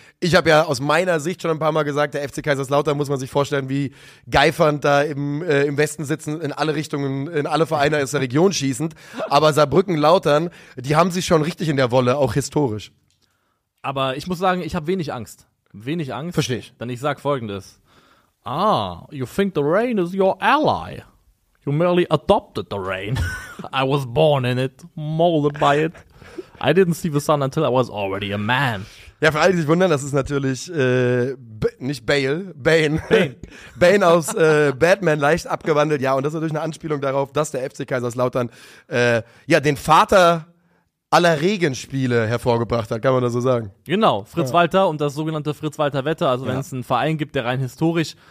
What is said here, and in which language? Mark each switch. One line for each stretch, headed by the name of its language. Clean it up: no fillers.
German: Ich habe ja aus meiner Sicht schon ein paar Mal gesagt, der FC Kaiserslautern, muss man sich vorstellen, wie geifernd da im Westen sitzen, in alle Richtungen, in alle Vereine aus der Region schießend. Aber Saarbrücken-Lautern, die haben sich schon richtig in der Wolle, auch historisch. Aber ich muss sagen, ich habe wenig Angst. Wenig Angst. Verstehe ich. Denn ich sag Folgendes.
English: Ah, you think the rain is your ally? You merely adopted the rain. I was born in it, molded by it. I didn't see the sun until I was already a man.
German: Ja, für alle, die sich wundern, das ist natürlich Bane. Bane. Bane aus Batman, leicht abgewandelt. Ja, und das ist natürlich eine Anspielung darauf, dass der FC Kaiserslautern den Vater aller Regenspiele hervorgebracht hat, kann man das so sagen. Genau, Fritz, ja, Walter und das sogenannte Fritz-Walter-Wetter. Also wenn, ja, es einen Verein gibt, der rein historisch